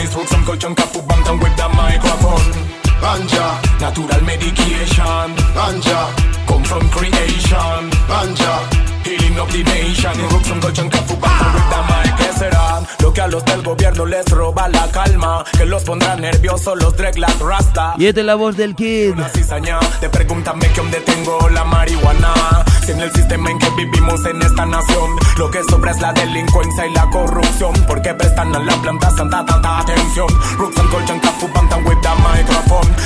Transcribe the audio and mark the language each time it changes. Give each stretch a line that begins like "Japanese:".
English: It's roots and culture and Cafu Bantan with the microphone. Bancha. Natural medication. Bancha. Come from creation. Bancha. Healing of the nation. Y roots and culture and Cafu Bantan with the mic.
Spanish: ¿Qué será lo que a los del gobierno les roba la calma? Que los pondrá nerviosos los dreadlocks rasta. Y esta es la voz del Kid. Una cizaña, te pregúntame que dónde tengo la marihuana. Si en el sistema en que vivimos en esta nación, lo que sobra es la delincuencia y la corrupción. ¿Por qué prestan a la planta santa tanta atención?
English: Roots and culture and Cafu Bantan with the microphone.